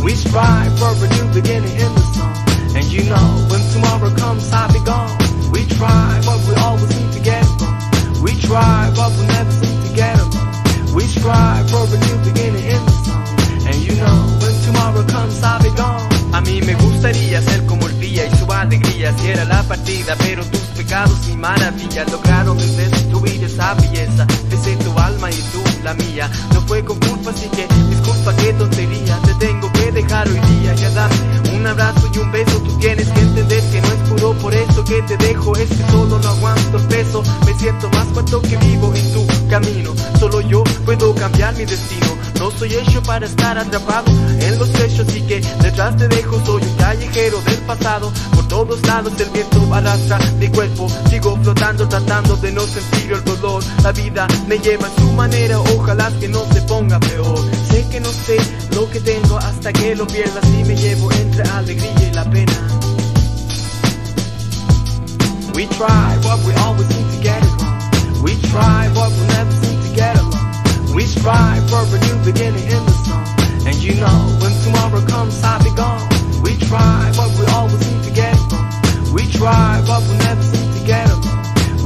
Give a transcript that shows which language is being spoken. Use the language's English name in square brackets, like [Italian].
[English] We strive for a new beginning in the sun. And you know, when tomorrow comes, I'll be gone. We try, but we always seem to get along. We try, but we never seem to get along. We strive for a new beginning in the sun. And you know, when tomorrow comes, I'll be gone. [Spanish] A mí me gustaría ser como el día y su alegría si era la partida, pero tus pecados y maravillas lograron destruir esa belleza, pese tu alma y tú la mía. No fue con culpa, así que disculpa, qué tontería, te tengo que dejar hoy día. Ya dame un abrazo y un beso, tú tienes que entender que no es puro por eso que te dejo, es que solo no aguanto el peso. Me siento más muerto que vivo en tu camino, solo yo puedo cambiar mi destino. No soy hecho para estar atrapado en los techos, así que detrás te dejo, soy un callejero del pasado. Por todos lados el viento arrastra mi cuerpo, sigo flotando tratando de no sentir el dolor. La vida me lleva a su manera, ojalá que no se ponga peor. Sé que no sé lo que tengo hasta que lo pierda, así me llevo entre alegría y la pena. [English] We try, but we always seem to get it wrong. We try, but we never seem to get along. We strive for a new beginning in the sun. And you know, when tomorrow comes, I'll be gone. We try, but we always seem to get along. We try, but we never seem to get along.